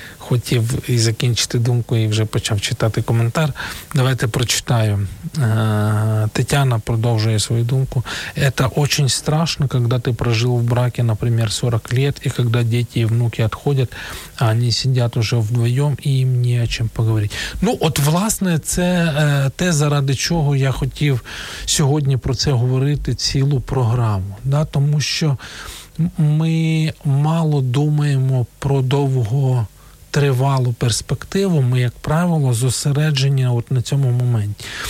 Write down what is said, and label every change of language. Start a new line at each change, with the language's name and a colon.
Ukrainian: хотів і закінчити думку, і вже почав читати коментар. Давайте прочитаю. Тетяна продовжує свою думку.
Russian: «Это очень страшно, когда ты прожил в браке, например, 40 лет, и когда дети и внуки отходят, а они сидят уже вдвоем, и им не о чем поговорить».
Ukrainian: Ну, от, власне, це те, заради чого я хотів сьогодні про це говорити цілу програму. Да? Тому що ми мало думаємо про довготривалу перспективу, ми, як правило, зосереджені от на цьому моменті.